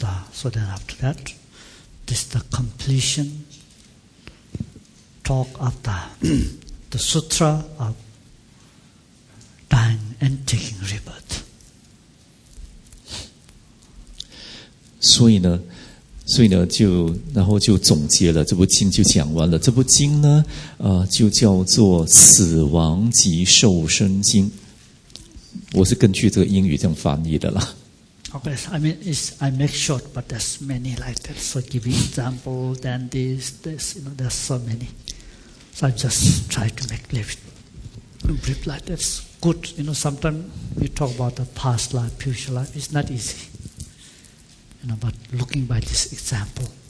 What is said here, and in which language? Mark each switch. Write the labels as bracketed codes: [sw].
[en] So then, after that, this is the completion talk of the sutra of dying and taking rebirth. [zh] 所以呢，就然后就总结了这部经就讲完了。这部经呢，就叫做《死亡及受生经》。我是根据这个英语这样翻译的啦。 [en] Okay, so I mean, I make short, but there's many like that. So give you example, then this, you know, there's so many. So I just try to make little brief like that. Good, you know, sometimes we talk about the past life, future life. It's not easy, you know, but looking by this example.